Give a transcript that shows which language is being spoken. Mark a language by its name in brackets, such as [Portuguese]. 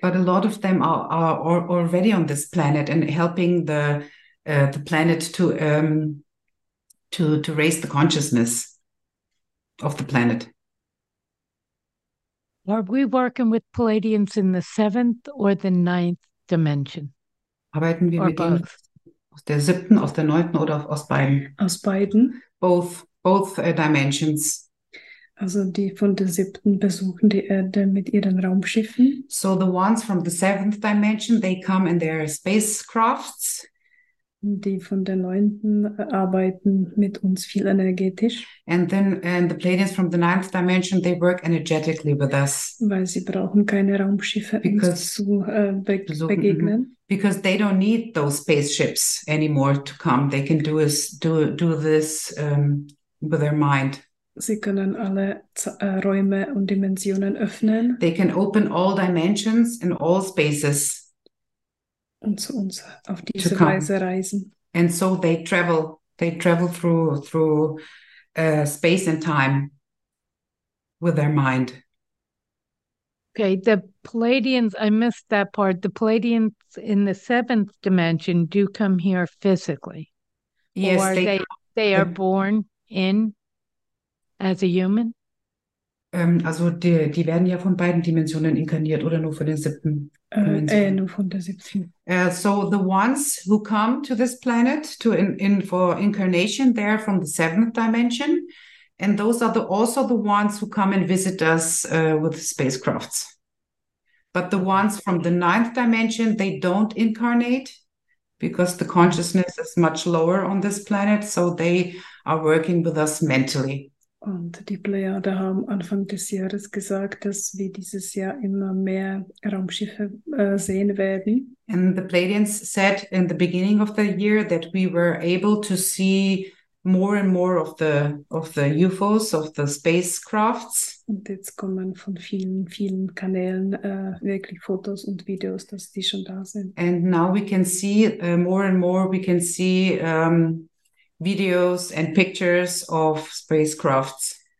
[English] But a lot of them are already on this planet and helping the planet to raise the consciousness of the planet. Are we working with Pleiadians in the seventh or the ninth dimension? [German] Arbeiten wir mit ihnen aus der siebten, aus der neunten oder aus beiden? Aus beiden. [English] Both dimensions. [German] Also die von der siebten besuchen die Erde mit ihren Raumschiffen. [English] So the ones from the seventh dimension, they come in their spacecrafts. [German] Die von der neunten arbeiten mit uns viel energetisch. [English] And the Pleiadians from the ninth dimension, they work energetically with us. [German] Weil sie brauchen keine Raumschiffe, because, uns zu begegnen. [English] Because they don't need those spaceships anymore to come. They can do this with their mind. [German] Sie können alle Räume und Dimensionen öffnen. [English] They can open all dimensions and all spaces. [German] Und zu uns auf diese Weise reisen. [English] And so they travel. They travel through space and time with their mind. Okay, the Pleiadians, I missed that part. The Pleiadians in the seventh dimension do come here physically. Yes, or they are born in as a human. [German] Also die werden ja von beiden Dimensionen inkarniert oder nur von der siebten Dimension? Nur von der siebten. [English] So the ones who come to this planet for incarnation, they are from the seventh dimension, and those are also the ones who come and visit us with spacecrafts. But the ones from the ninth dimension, they don't incarnate, because the consciousness is much lower on this planet, so they are working with us mentally. [German] Und die Pleiaden haben Anfang des Jahres gesagt, dass wir dieses Jahr immer mehr Raumschiffe sehen werden. [English] And the Pleiadians said in the beginning of the year that we were able to see more and more of the UFOs, of the spacecrafts. [German] Und jetzt kommen von vielen, vielen Kanälen wirklich Fotos und Videos, dass die schon da sind. [English] And now we can see more and more, we can see videos and pictures of spacecrafts.